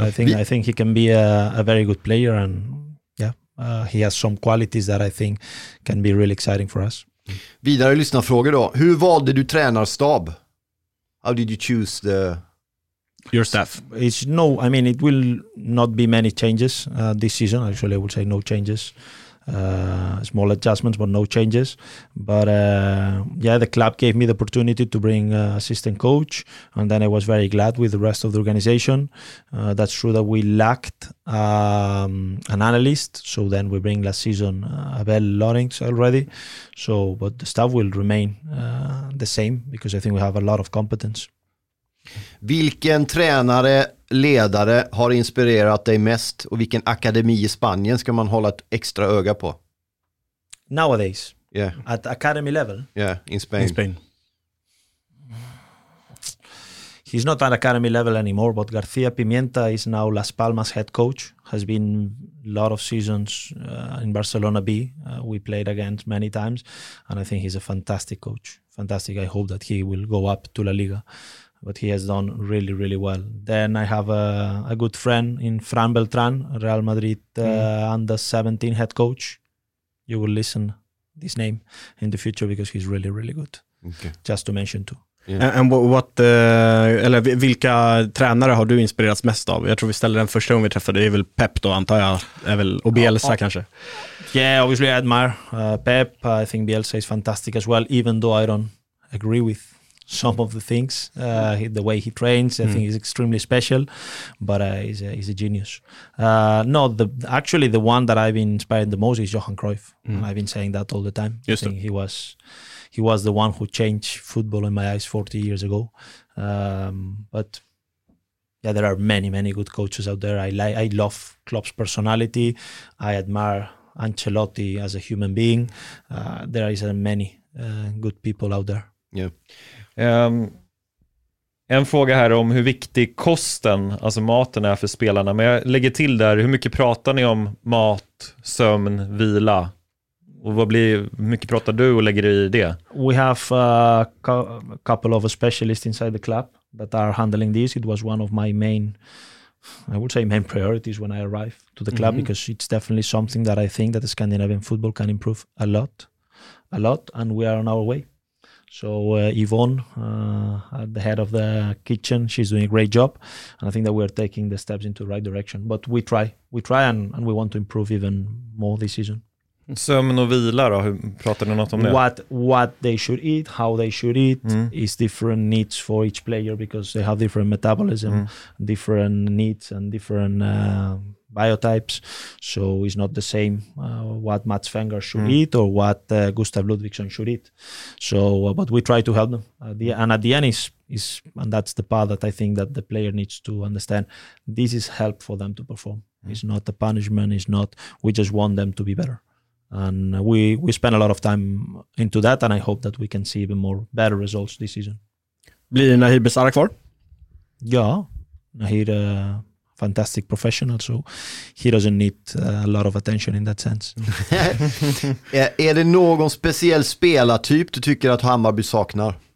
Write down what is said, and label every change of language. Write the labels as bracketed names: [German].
[English] I think he can be a very good player, and he has some qualities that I think can be really exciting for us. [Swedish] Vidare lyssnarfrågor då. Hur valde du tränarstab? [English] How did you choose the... your staff? It's no, I mean, it will not be many changes this season. Actually, I would say no changes, small adjustments, but no changes. But the club gave me the opportunity to bring assistant coach, and then I was very glad with the rest of the organization. That's true that we lacked an analyst, so then we bring last season Abel Lorenz already. So, but the staff will remain the same, because I think we have a lot of competence. [Swedish] Vilken tränare, ledare har inspirerat dig mest, och vilken akademi i Spanien ska man hålla ett extra öga på? [English] Nowadays, yeah. At academy level, yeah, in Spain. He's not at academy level anymore, but García Pimienta is now Las Palmas head coach. Has been a lot of seasons in Barcelona B. We played against many times, and I think he's a fantastic coach. Fantastic. I hope that he will go up to La Liga. But he has done really, really well. Then I have a good friend in Fran Beltran, Real Madrid under 17 head coach. You will listen this name in the future, because he's really, really good. Okay. Just to mention too. Yeah. And what [Swedish] eller vilka tränare har du inspirerats mest av? Jag tror vi ställer den första gången vi träffade. Det är väl Pep då, antar jag. Är väl, och Bielsa kanske? [English] Yeah, obviously I admire Pep. I think Bielsa is fantastic as well, even though I don't agree with some of the things, the way he trains. I think he's extremely special, but he's a genius. Actually, the one that I've been inspired the most is Johan Cruyff. Mm. And I've been saying that all the time. Yes, I think he was the one who changed football in my eyes 40 years ago. But yeah, there are many, many good coaches out there. I love Klopp's personality. I admire Ancelotti as a human being. There is many good people out there. Yeah. [Swedish] En fråga här om hur viktig kosten, alltså maten, är för spelarna. Men jag lägger till där, hur mycket pratar ni om mat, sömn, vila? Och vad blir, hur mycket pratar du och lägger du i det? [English] We have a couple of specialists inside the club that are handling this. It was one of my main, I would say, main priorities when I arrived to the club, mm-hmm. because it's definitely something that I think that the Scandinavian football can improve a lot, and we are on our way. So Yvonne, at the head of the kitchen, she's doing a great job, and I think that we're taking the steps into the right direction. But we try and we want to improve even more this season. [Swedish] Sömn och vila då, hur pratar ni något om det? [English] What they should eat, how they should eat, is different needs for each player because they have different metabolism, different needs and different biotypes. So it's not the same what Mats Wenger should eat or what Gustav Ludvigsson should eat. So, but we try to help them. At the end, and that's the part that I think that the player needs to understand. This is help for them to perform. Mm. It's not a punishment. It's not, we just want them to be better. And we spend a lot of time into that, and I hope that we can see even more better results this season. [Swedish] Blir Nahir Besara kvar? [English] Ja, Nahir, fantastic professional, so he doesn't need a lot of attention in that sense. [Swedish] Är det någon speciell spelartyp du tycker att Hammarby saknar?